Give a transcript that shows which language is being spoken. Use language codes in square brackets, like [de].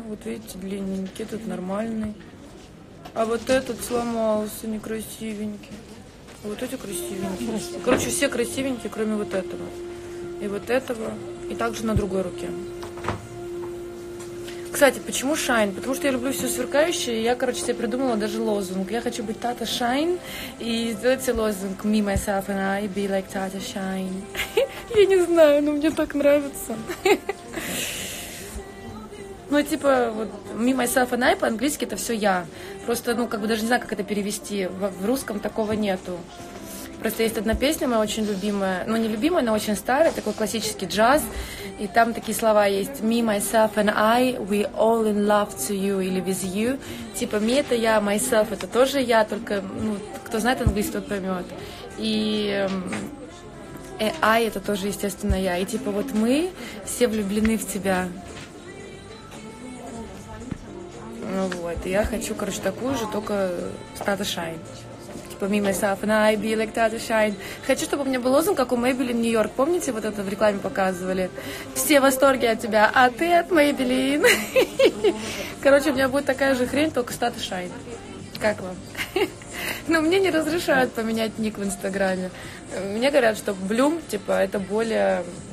[ru] Вот видите, длинненький, этот нормальный. А вот этот сломался, некрасивенький. А вот эти красивенькие. Короче, все красивенькие, кроме вот этого. И вот этого. И также на другой руке. Кстати, почему Shine? Потому что я люблю все сверкающее. И я, короче, себе придумала даже лозунг. Я хочу быть Tata Shine. И сделать себе лозунг. [en] Me, myself and I be like Tata Shine. [ru] Я не знаю, но мне так нравится. Ну, типа, вот, [en] me, myself and I [ru] по-английски это все я. Просто, ну, как бы даже не знаю, как это перевести. В русском такого нету. Просто есть одна песня моя очень любимая. Ну, не любимая, но очень старая, такой классический джаз. И там такие слова есть. [en] Me, myself and I, we all in love to you или with you. [ru] Типа, me это я, myself это тоже я. Только, ну, кто знает английский, тот поймет. И... AI это тоже, естественно, я. И типа вот мы все влюблены в тебя. Ну вот, и я хочу, короче, такую же, только с Tata Shine. [en] Типа me, myself and I be like Tata Shine. [ru] Хочу, чтобы у меня был лозунг, как у Maybelline New York. Помните, вот это в рекламе показывали? Все в восторге от тебя, а ты от Maybelline. Короче, у меня будет такая же хрень, только с Tata Shine. Как вам? Но мне не разрешают поменять ник в Инстаграме. Мне говорят, что Блюм, типа, это более...